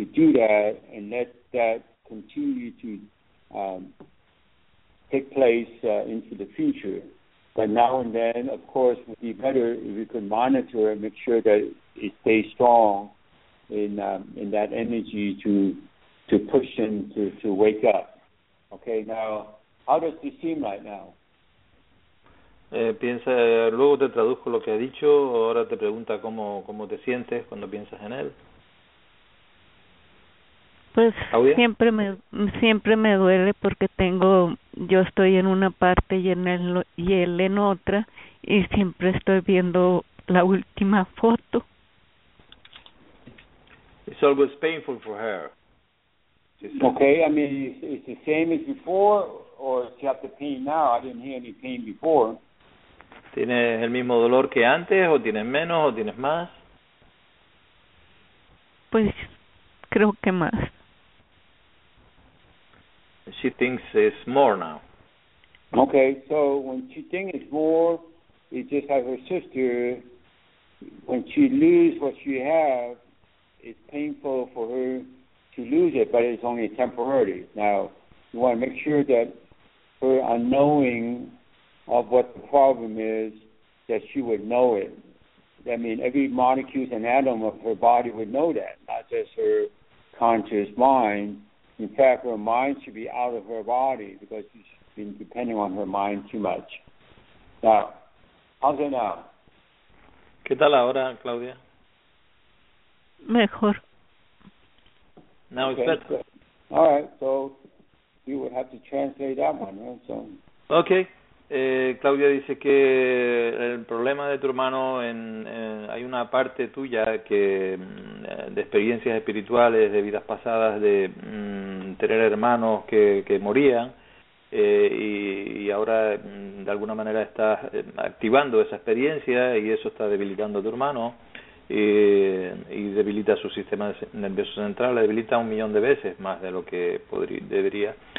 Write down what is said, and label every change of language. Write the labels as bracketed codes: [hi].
[en] to do that and let that continue to take place into the future. But now and then, of course, it would be better if we could monitor and make sure that it stays strong in that energy to push and to wake up. Okay, now, how does this seem right now? [es] Piensa, luego te traduzco lo que ha dicho, ahora te pregunta cómo te sientes cuando piensas en él. Pues siempre me duele porque tengo, yo estoy en una parte y él en otra, y siempre estoy viendo la última foto. [en] It's always painful for her. Okay, I mean, is the same as before, or she has the pain now? I didn't hear any pain before. [es] ¿Tienes el mismo dolor que antes, o tienes menos, o tienes más? Pues, creo que más. [en] She thinks it's more now. Okay, so when she thinks it's more, it's just like her sister, when she loses what she have, it's painful for her to lose it, but it's only temporary. Now, you want to make sure that her unknowing of what the problem is, that she would know it. I mean, every molecule and atom of her body would know that, not just her conscious mind. In fact, her mind should be out of her body because she's been depending on her mind too much. Now, how's it now? [es] ¿Qué tal ahora, Claudia? Mejor. [en] Now it's better. So, all right, so you would have to translate that one, right? So. Okay. [es] Claudia dice que el problema de tu hermano, hay una parte tuya que de experiencias espirituales, de vidas pasadas, de tener hermanos que morían, y ahora de alguna manera estás activando esa experiencia y eso está debilitando a tu hermano y debilita su sistema nervioso central, la debilita 1,000,000 de veces más de lo que debería.